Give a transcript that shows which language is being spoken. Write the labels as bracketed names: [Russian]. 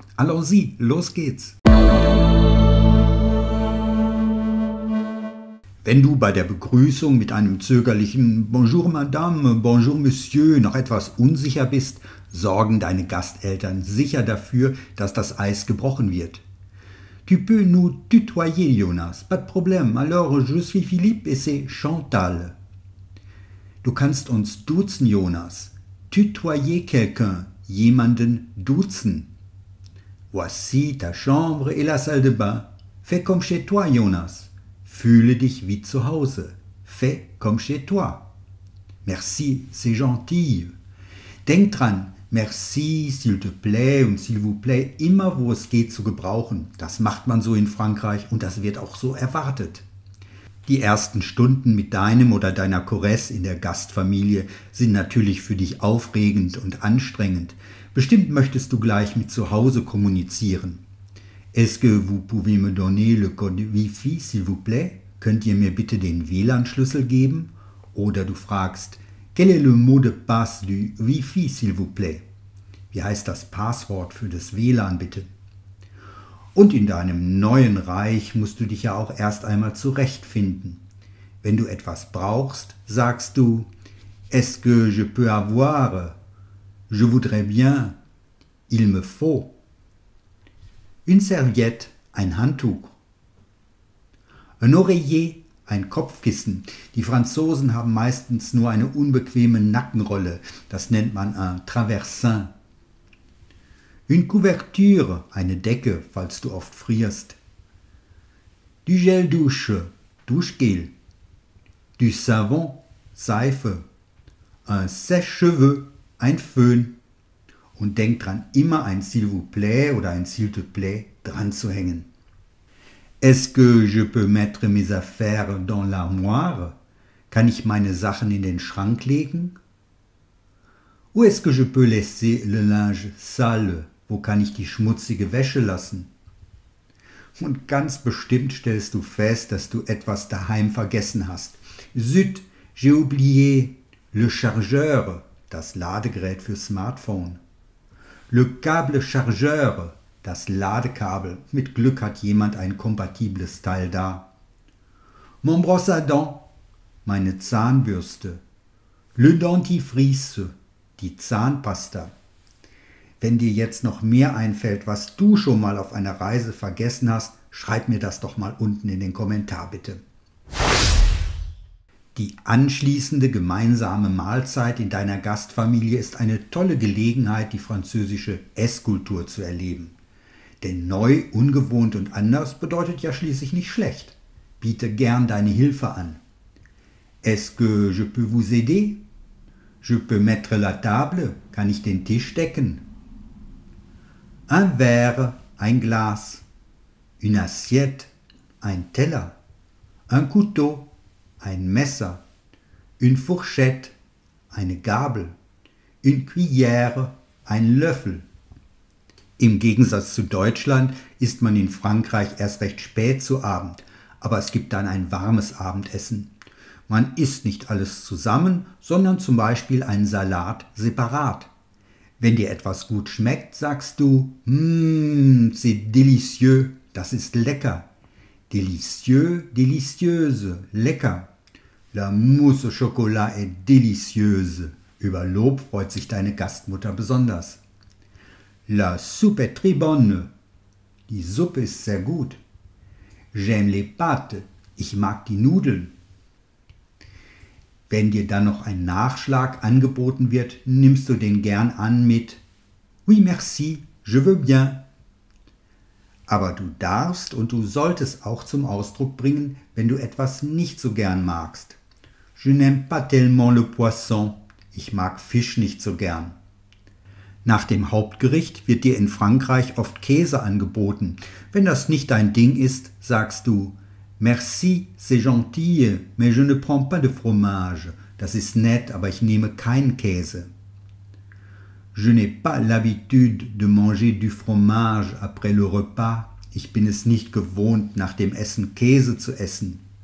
[French] Allons-y, [German] los geht's! Wenn du bei der Begrüßung mit einem zögerlichen [French] Bonjour Madame, Bonjour Monsieur [German] noch etwas unsicher bist, sorgen deine Gasteltern sicher dafür, dass das Eis gebrochen wird. [French] Tu peux nous tutoyer, Jonas, pas de problème, alors je suis Philippe et c'est Chantal. [German] Du kannst uns duzen, Jonas. [French] Tutoyer quelqu'un, [German] jemanden duzen. [French] Voici ta chambre et la salle de bain. Fais comme chez toi, Jonas. [German] Fühle dich wie zu Hause. [French] Fais comme chez toi. Merci, c'est gentil. [German] Denk dran, [French] merci, s'il te plaît [German] und [French] s'il vous plaît [German] immer, wo es geht, zu gebrauchen. Das macht man so in Frankreich und das wird auch so erwartet. Die ersten Stunden mit deinem oder deiner Choresse in der Gastfamilie sind natürlich für dich aufregend und anstrengend. Bestimmt möchtest du gleich mit zu Hause kommunizieren. [French] Est-ce que vous pouvez me donner le code Wi-Fi, s'il vous plaît? [German] Könnt ihr mir bitte den WLAN-Schlüssel geben? Oder du fragst, [French] quel est le mot de passe du Wi-Fi, s'il vous plaît? [German] Wie heißt das Passwort für das WLAN, bitte? Und in deinem neuen Reich musst du dich ja auch erst einmal zurechtfinden. Wenn du etwas brauchst, sagst du, [French] est-ce que je peux avoir? Je voudrais bien. Il me faut. Une serviette, [German] ein Handtuch. [French] Un oreiller, [German] ein Kopfkissen. Die Franzosen haben meistens nur eine unbequeme Nackenrolle. Das nennt man [French] un traversin. Une couverture, [German] eine Decke, falls du oft frierst. [French] Du gel douche, [German] Duschgel. [French] Du savon, [German] Seife. [French] Un sèche-cheveux, [German] ein Föhn. Und denk dran, immer ein [French] s'il vous plaît [German] oder ein [French] s'il te plaît [German] dran zu hängen. [French] Est-ce que je peux mettre mes affaires dans l'armoire? [German] Kann ich meine Sachen in den Schrank legen? [French] Où est-ce que je peux laisser le linge sale? [German] Wo kann ich die schmutzige Wäsche lassen? Und ganz bestimmt stellst du fest, dass du etwas daheim vergessen hast. [French] Zut, j'ai oublié le chargeur, [German] das Ladegerät für Smartphone. [French] Le câble chargeur, [German] das Ladekabel. Mit Glück hat jemand ein kompatibles Teil da. [French] Mon brosse à dents, [German] meine Zahnbürste. [French] Le dentifrice, [German] die Zahnpasta. Wenn dir jetzt noch mehr einfällt, was du schon mal auf einer Reise vergessen hast, schreib mir das doch mal unten in den Kommentar, bitte. Die anschließende gemeinsame Mahlzeit in deiner Gastfamilie ist eine tolle Gelegenheit, die französische Esskultur zu erleben. Denn neu, ungewohnt und anders bedeutet ja schließlich nicht schlecht. Biete gern deine Hilfe an. [French] Est-ce que je peux vous aider? Je peux mettre la table? [German] Kann ich den Tisch decken? [French] Un verre, [German] ein Glas. [French] Une assiette, [German] ein Teller. [French] Un couteau, [German] ein Messer. [French] Une fourchette, [German] eine Gabel. [French] Une cuillère, [German] ein Löffel. Im Gegensatz zu Deutschland isst man in Frankreich erst recht spät zu Abend, aber es gibt dann ein warmes Abendessen. Man isst nicht alles zusammen, sondern zum Beispiel einen Salat separat. Wenn dir etwas gut schmeckt, sagst du, [French] c'est délicieux, [German] das ist lecker. [French] Délicieux, délicieuse, lecker. La mousse au chocolat est délicieuse. [German] Über Lob freut sich deine Gastmutter besonders. [French] La soupe est très bonne. [German] Die Suppe ist sehr gut. [French] J'aime les pâtes. [German] Ich mag die Nudeln. Wenn dir dann noch ein Nachschlag angeboten wird, nimmst du den gern an mit [French] Oui, merci, je veux bien. [German] Aber du darfst und du solltest auch zum Ausdruck bringen, wenn du etwas nicht so gern magst. [French] Je n'aime pas tellement le poisson. [German] Ich mag Fisch nicht so gern. Nach dem Hauptgericht wird dir in Frankreich oft Käse angeboten. Wenn das nicht dein Ding ist, sagst du: [French] Merci, c'est gentil, mais je ne prends pas de fromage. [German] Das ist nett, aber ich nehme keinen Käse. [French] Je n'ai pas l'habitude de manger du fromage après le repas. [German] Ich bin es nicht gewohnt, nach dem Essen Käse zu essen.